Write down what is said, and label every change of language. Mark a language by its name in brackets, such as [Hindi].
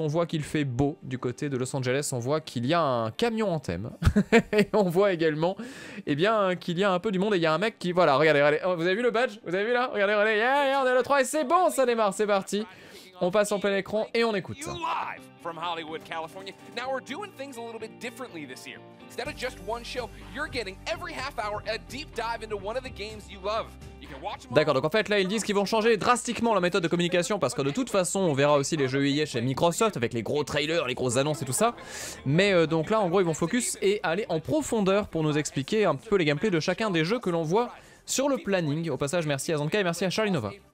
[French] On voit qu'il fait beau du côté de Los Angeles, on voit qu'il y a un camion en thème, et on voit également eh bien, qu'il y a un peu du monde, et il y a un mec qui... Voilà, regardez, regardez, vous avez vu le badge? Vous avez vu là? Regardez, regardez, yeah, yeah, on est à l'E3, et c'est bon, ça démarre, c'est parti. On passe en plein écran et on écoute. [English] Live from Hollywood, California. Now we're doing things a little bit differently this year. Instead of just one show, you're getting every half hour a deep dive into one of the games you love. [French] D'accord, donc en fait là ils disent qu'ils vont changer drastiquement la méthode de communication, parce que de toute façon on verra aussi les jeux EA chez Microsoft avec les gros trailers, les grosses annonces et tout ça. Mais donc là en gros ils vont focus et aller en profondeur pour nous expliquer un petit peu les gameplays de chacun des jeux que l'on voit sur le planning. Au passage, merci à Zanka et merci à Charlie Nova.